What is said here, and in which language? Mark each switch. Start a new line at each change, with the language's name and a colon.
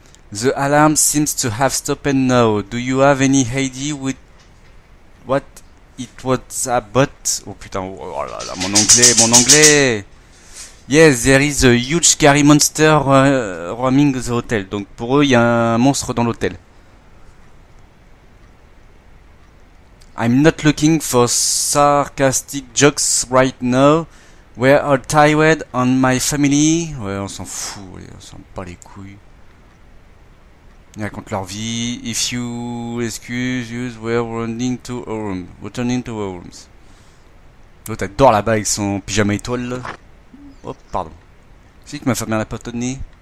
English: The alarm seems to have stopped now. Do you have any idea with what it was about?
French: Oh putain, oh là là, mon anglais!
English: Yes, there is a huge scary monster roaming the hotel.
French: Donc pour eux, il y a un monstre dans l'hôtel.
English: I'm not looking for sarcastic jokes right now. We're all tired on my family.
French: Ouais, on s'en fout, on s'en bat les couilles. Ils racontent leur vie.
English: If you excuse us, we're running to our room. Returning to our rooms.
French: L'autre adore là-bas avec son pyjama étoile là. Oh, pardon. Si tu m'as fermé la porte au nez.